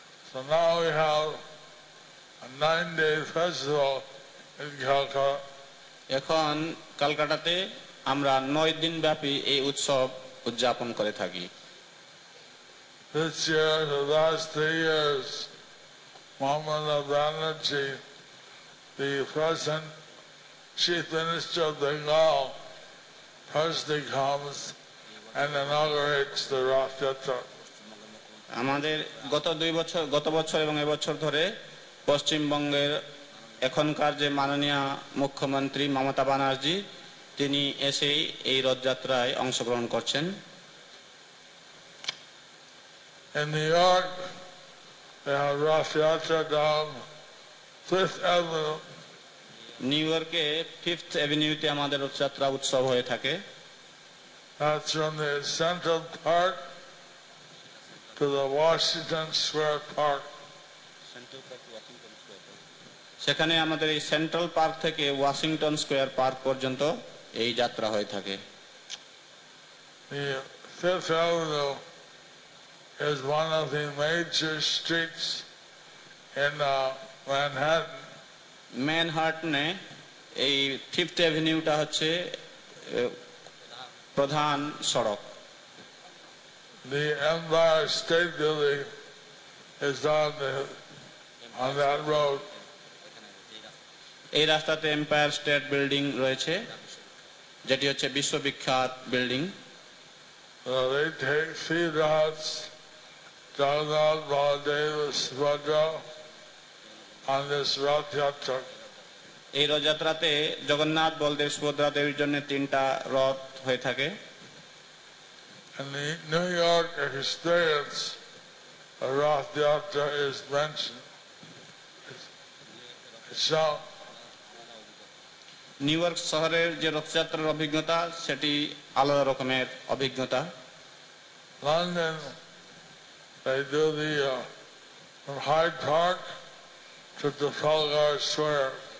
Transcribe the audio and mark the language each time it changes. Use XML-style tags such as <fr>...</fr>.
<en>So now we have a 9-day festival in Calcutta.</en> <bn>এখন কলকাতাতে আমরা 9 দিন ব্যাপী এই উৎসব উদযাপন করে থাকি।</bn> <en>This year, the last 3 years, Mamala Banerjee, the present Chief Minister of Bengal, personally comes and inaugurates the Rath Yatra.</en> <bn>আমাদের গত বছর এবং এবছর ধরে পশ্চিমবঙ্গের এখনকার যে মাননীয় মুখ্যমন্ত্রী মমতা ব্যানার্জি, তিনি এসেই এই রথযাত্রায় অংশগ্রহণ করছেন।</bn> <en>In New York, they have Rath Yatra down Fifth Avenue.</en> <bn>New York A Fifth Avenue তে আমাদের রথযাত্রা উৎসব হয়ে থাকে।</bn> <en>That's from the Central Park to the Washington Square Park.</en> <bn>সেখানে আমাদের এই সেন্ট্রাল পার্ক থেকে ওয়াশিংটন স্কোয়ার পার্ক পর্যন্ত এই যাত্রা হয়ে থাকে।</bn> <en>Fifth Avenue is one of the major streets in Manhattan.</en> <bn>ম্যানহাটনে এই ফিফথ অ্যাভিনিউটা হচ্ছে প্রধান সড়ক।</bn> <en>The Empire State Building is on that road.</en> <bn>এই রাস্তাতে এম্পায়ার স্টেট বিল্ডিং রয়েছে, যেটি হচ্ছে বিশ্ববিখ্যাত building.</bn> <en>They take three routes, Jagannath, Baladev, Subhadra, on this Rath Yatra.</en> <bn>এই রথযাত্রাতে জগন্নাথ, বলদেব, সুভদ্রা দেবীর জন্য তিনটা রথ হয়ে থাকে।</bn> <en>And the New York experience, a Rath Yatra is mentioned. So,</en> <bn>new York শহরের যে রথযাত্রার অভিজ্ঞতা, সেটি আলাদা রকমের অভিজ্ঞতা।</bn> <en>London they do the Hyde Park to Trafalgar Square.</en>